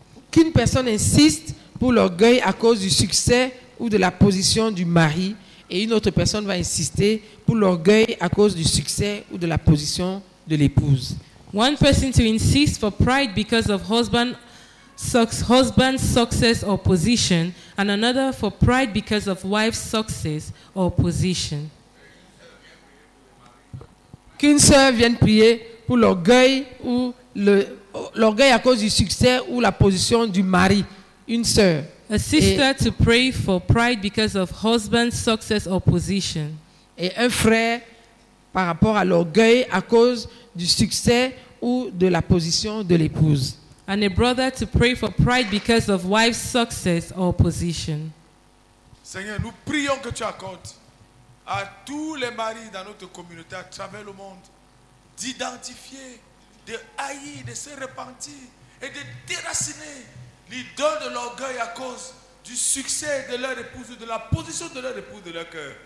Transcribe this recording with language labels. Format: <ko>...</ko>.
<fr>Qu'une personne insiste pour l'orgueil à cause du succès ou de la position du mari, et une autre personne va insister pour l'orgueil à cause du succès ou de la position de l'épouse.</fr> <en>One person to insist for pride because of husband's success or position, and another for pride because of wife's success or position.</en> <fr>Qu'une sœur vienne prier pour l'orgueil ou l'orgueil à cause du succès ou la position du mari, une sœur.</fr> <en>A sister to pray for pride because of husband's success or position.</en> <fr>Et un frère par rapport à l'orgueil à cause du succès ou de la position de l'épouse.</fr> <en>and a brother to pray for pride because of wife's success or position.</en> <fr>Seigneur, nous prions que tu accordes à tous les maris dans notre communauté à travers le monde d'identifier, de haïr, de se repentir et de déraciner l'idole de l'orgueil à cause du succès de leur épouse, de la position de leur épouse, de leur cœur.</fr>